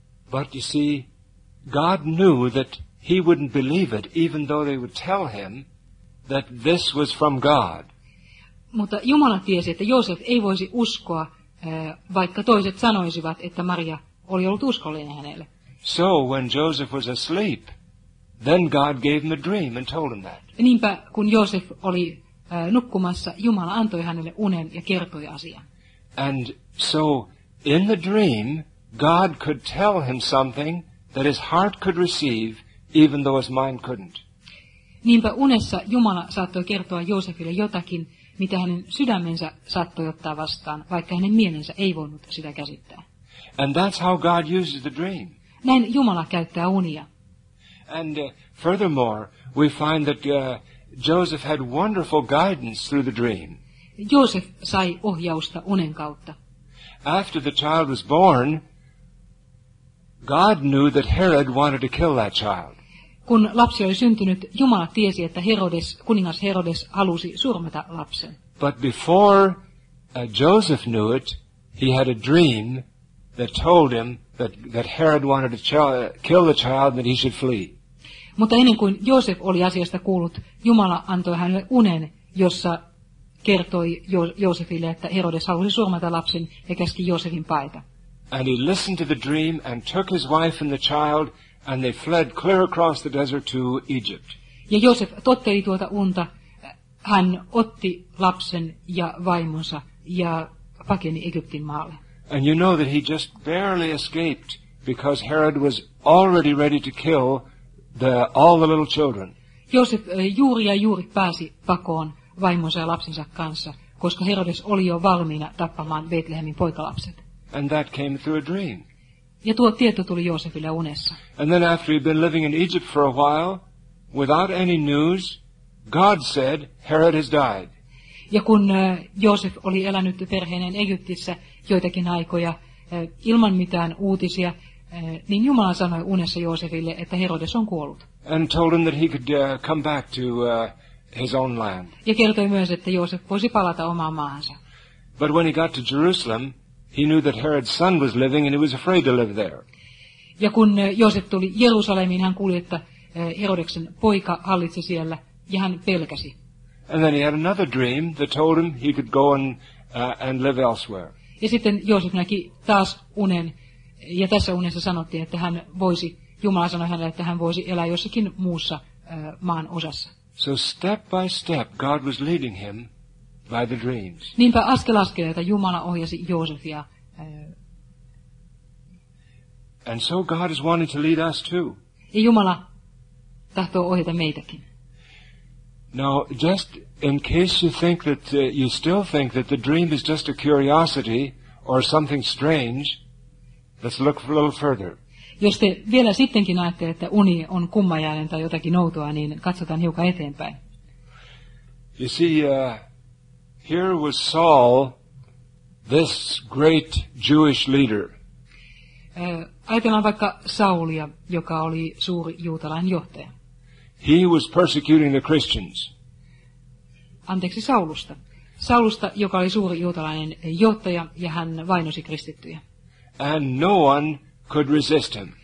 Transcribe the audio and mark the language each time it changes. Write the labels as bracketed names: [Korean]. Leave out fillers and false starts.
[English] But you see, God knew that he wouldn't believe it even though they would tell him that this was from God. [Finnish] Mutta Jumala tiesi, että Joosef ei voisi uskoa, vaikka toiset sanoisivat, että Maria oli ollut uskollinen hänelle. [English] So when Joseph was asleep, then God gave him a dream and told him that. [Finnish] Niinpä kun Joosef oli nukkumassa, Jumala antoi hänelle unen ja kertoi asian. [English] And so in the dream, God could tell him something that his heart could receive, even though his mind couldn't. [Finnish] Niinpä unessa Jumala saattoi kertoa Joosefille jotakin, mitä hänen sydämensä saattoi ottaa vastaan, vaikka hänen mielensä ei voinut sitä käsittää. [English] And that's how God uses the dream. [Finnish] Näin Jumala käyttää unia. [English] And furthermore, we find that Joseph had wonderful guidance through the dream. [Finnish] Joseph sai ohjausta unen kautta. [English] After the child was born, God knew that Herod wanted to kill that child. [Finnish] Kun lapsi oli syntynyt, Jumala tiesi, että Herodes, kuningas Herodes, halusi surmata lapsen. [English] But before Joseph knew it, he had a dream that told him that Herod wanted to kill the child and that he should flee. [Finnish] Mutta ennen kuin Joosef oli asiasta kuullut, Jumala antoi hänelle unen, jossa kertoi Joosefille, että Herodes halusi surmata lapsen ja käski Joosefin paeta. [English] And he listened to the dream and took his wife and the child, and they fled clear across the desert to Egypt. [Finnish] Ja Joosef totteli tuota unta, hän otti lapsen ja vaimonsa ja pakeni Egyptin maalle. [English] And you know that he just barely escaped because Herod was already ready to kill all the little children. [Finnish] Joosef juuri ja juuri pääsi pakoon vaimonsa ja lapsensa kanssa, koska Herodes oli jo valmiina tappamaan Betlehemin poikalapset. [English] And that came through a dream. [Finnish] Ja tuo tieto tuli Joosefille unessa. [English] And then after he'd been living in Egypt for a while, without any news, God said, Herod has died. [Finnish] Ja kun Joosef oli elänyt perheineen Egyptissä joitakin aikoja ilman mitään uutisia, niin Jumala sanoi unessa Joosefille, että Herodes on kuollut. [English] And told him that he could come back to his own land. [Finnish] Ja kertoi myös, että Joosef voisi palata omaan maahansa. [English] But when he got to Jerusalem, he knew that Herod's son was living and he was afraid to live there. [Finnish] Ja kun Joosef tuli Jerusalemiin, hän kuuli, että Herodeksen poika hallitsi siellä ja hän pelkäsi. [English] And then he had another dream that told him he could go and live elsewhere. [Finnish] Ja sitten Joosef näki taas unen, ja tässä unessa sanottiin, että hän voisi, Jumala sanoi hänelle, että hän voisi elää jossakin muussa maan osassa. [English] So step by step God was leading him by the dreams. [Finnish] Niinpä askel askeleelta Jumala ohjasi Joosefia. [English] And so God is wanting to lead us too. [Finnish] Ja Jumala tahtoo ohjata meitäkin. [English] Now, just in case you think that you still think that the dream is just a curiosity or something strange, let's look a little further. [Finnish] Jos te vielä sittenkin näette, että uni on kummajainen tai jotakin outoa, niin katsotaan hiukan eteenpäin. [English] You see, here was Saul, this great Jewish leader. [Finnish] Ajatellaan vaikka Saulia, joka oli suuri juutalainen johtaja. [English] He was persecuting the Christians. [Finnish] Anteeksi, Saulusta. Saulusta, joka oli suuri juutalainen johtaja, ja hän vainosi kristittyjä. [English] And no one could resist him.